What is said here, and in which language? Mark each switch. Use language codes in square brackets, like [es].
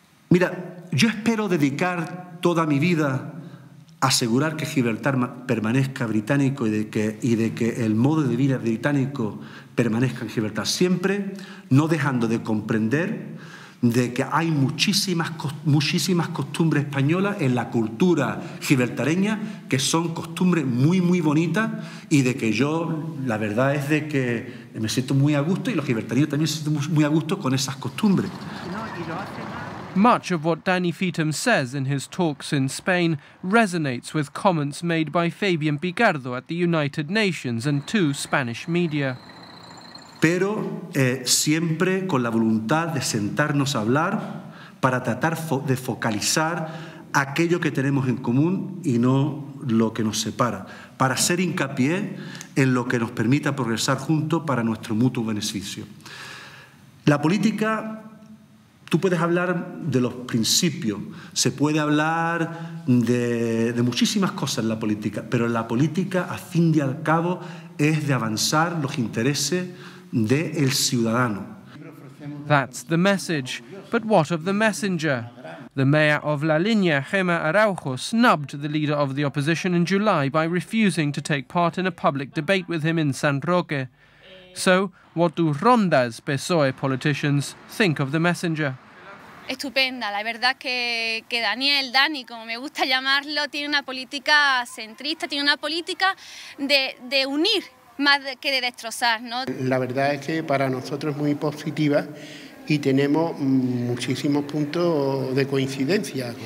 [es] Mira, yo espero dedicar toda mi vida a asegurar que Gibraltar permanezca británico y de que el modo de vida británico permanezca en Gibraltar siempre, no dejando de comprender de que hay muchísimas costumbres españolas en la cultura gibraltareña que son costumbres muy, muy bonitas y de que yo, la verdad es de que me siento muy a gusto y los gibraltareños también se sienten muy a gusto con esas costumbres. [en] Much of what Danny Feetham says in his talks in Spain resonates with comments made by Fabian Picardo at the United Nations and two Spanish media. [es] Pero siempre con la voluntad de sentarnos a hablar para tratar de focalizar aquello que tenemos en común y no lo que nos separa, para hacer hincapié en lo que nos permita progresar juntos para nuestro mutuo beneficio. La política, tú puedes hablar de los principios, se puede hablar de muchísimas cosas en la política, pero la política, a fin y al cabo, es de avanzar los intereses del ciudadano. [en] That's the message. But what of the messenger? The mayor of La Línea, Gemma Araujo, snubbed the leader of the opposition in July by refusing to take part in a public debate with him in San Roque. So, what do Ronda's PSOE politicians think of the messenger? [es] Estupenda, la verdad que Daniel, Dani, como me gusta llamarlo, tiene una política centrista, tiene una política de unir más que de destrozar, ¿no? La verdad es que para nosotros es muy positiva y tenemos muchísimos puntos de coincidencia.